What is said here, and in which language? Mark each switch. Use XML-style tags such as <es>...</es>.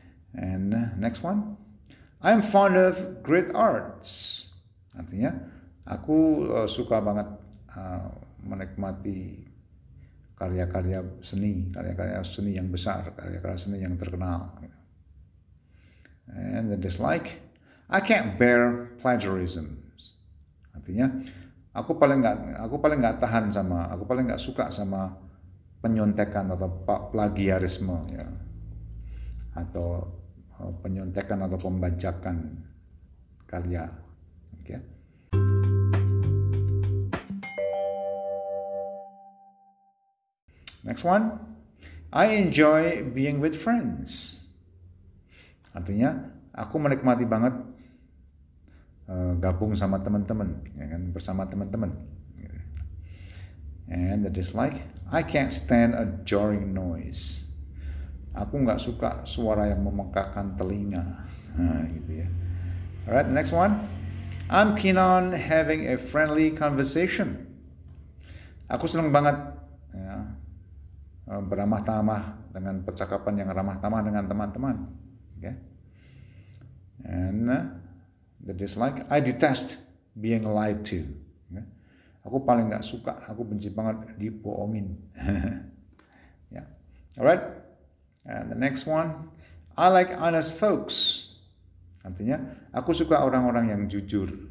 <en>And next one, I'm fond of great arts.</en> <id>Artinya aku suka banget menikmati karya-karya seni, yang besar, karya-karya seni yang terkenal.</id> <en>And the dislike, I can't bear plagiarism.</en> <id>Artinya aku paling nggak suka sama penyontekan atau plagiarisme, ya, atau penyontekan atau pembajakan karya.</id> <en>Okay. Next one, I enjoy being with friends.</en> <id>Artinya aku menikmati banget gabung sama teman-teman, ya kan, bersama teman-teman.</id> <en>And the dislike, I can't stand a jarring noise.</en> <id>Aku nggak suka suara yang memekakkan telinga. Nah, gitu ya.</id> <en>Alright, next one. I'm keen on having a friendly conversation.</en> <id>Aku seneng banget, ya, beramah-tamah dengan percakapan yang ramah-tamah dengan teman-teman. Okay.</id> <en>And the dislike, I detest being lied to. Yeah.</en> <id>Aku paling nggak suka, aku benci banget dibohongin.</id> <en>Yeah. All right. And the next one, I like honest folks.</en> <id>Artinya, aku suka orang-orang yang jujur.</id>